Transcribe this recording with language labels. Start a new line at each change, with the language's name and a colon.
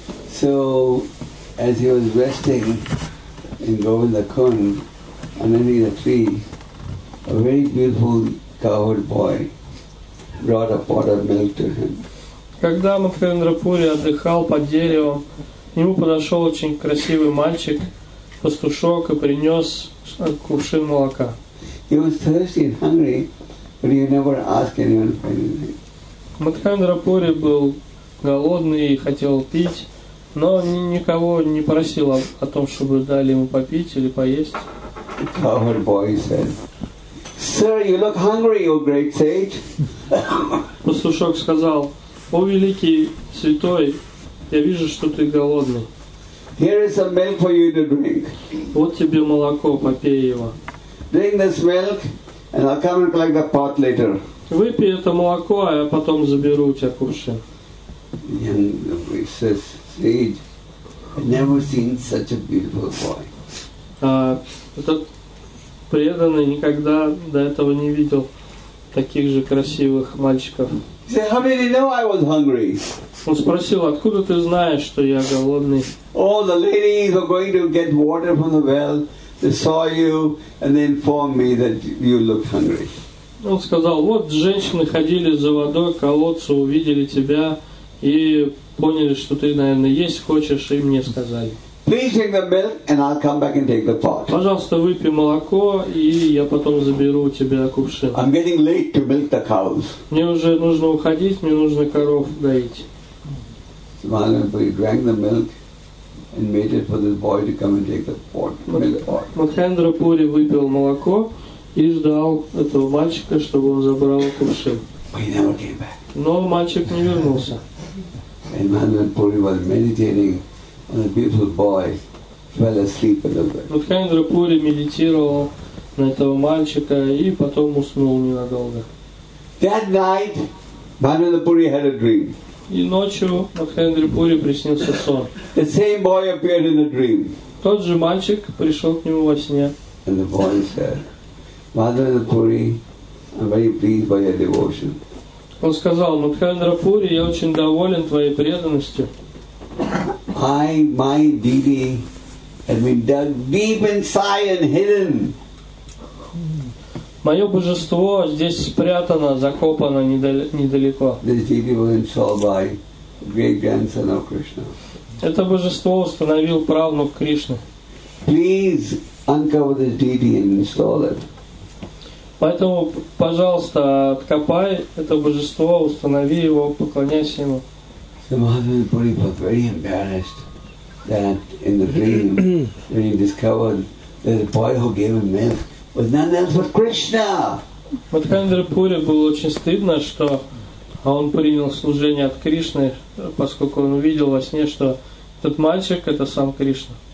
English: So, as he was resting in Govindakund, underneath a tree, a very beautiful cowherd boy brought a pot of milk to him.
Russian: Когда Махендрапури отдыхал под деревом, к нему подошел очень красивый мальчик, пастушок, и принес кувшин молока.
English: He was thirsty and hungry, but he never asked anyone for anything.
Russian: Махендрапури был голодный и хотел пить, но никого не просил о том, чтобы дали ему попить или поесть.
English: The cowherd boy said, "Sir, you look hungry, you great sage."
Russian: Пастушок сказал: "О великий святой, я вижу, что ты голодный.
English: Here is some milk for you to drink.
Russian: Вот тебе молоко, попей его.
English: Drink this milk, and I'll come and collect the pot later."
Russian: Выпей это молоко, а я потом заберу у тебя кувшин.
English: And he says, "Sage, I've never seen such a beautiful boy."
Russian: Этот преданный никогда до этого не видел таких же красивых мальчиков.
English: He said, "How did you know I was hungry?"
Russian: Он спросил: "Откуда ты знаешь, что я голодный?"
English: "Oh, the ladies were going to get water from the well. They saw you and they informed me that you look hungry."
Russian: Он сказал: "Вот женщины ходили за водой к колодцу, увидели тебя и поняли, что ты, наверное, есть хочешь, и мне сказали."
English: "Please drink the milk, and I'll come back and take the pot."
Russian: Пожалуйста, выпей молоко, и я потом заберу у тебя кувшин.
English: "I'm getting late to milk the cows."
Russian: Мне уже нужно уходить, мне нужно коров доить.
English: So Mahendrapuri drank the milk and waited for this boy to come and take the pot.
Russian: Махендрапури выпил молоко и ждал этого мальчика, чтобы он забрал кувшин.
English: But he never came back.
Russian: Но мальчик не вернулся.
English: And Mahendrapuri was meditating. And the beautiful boy fell asleep a little bit.
Russian: Махендрапури медитировал на этого мальчика и потом уснул ненадолго.
English: That night, Махендрапури had a dream.
Russian: И ночью Махендрапури приснился сон.
English: The same boy appeared in the dream.
Russian: Тот же мальчик пришел к нему во сне.
English: And the boy said, "Махендрапури, I'm very pleased by your devotion."
Russian: Он сказал: "Махендрапури, я очень доволен твоей преданностью.
English: My deity has been dug deep inside and hidden."
Russian: Мое божество здесь спрятано, закопано недалеко.
English: This deity was installed by great grandson of Krishna.
Russian: Это божество установил правнук Кришны.
English: Please uncover this deity and install it.
Russian: Поэтому, пожалуйста, откопай это божество, установи его, поклоняйся ему.
English: So Махендрапури was very embarrassed that in the dream when he discovered that the boy who gave him milk was none else but Krishna.
Russian: Махендрапури было очень стыдно, что он принял служение от Кришны, поскольку он увидел во сне, что этот мальчик это сам Кришна.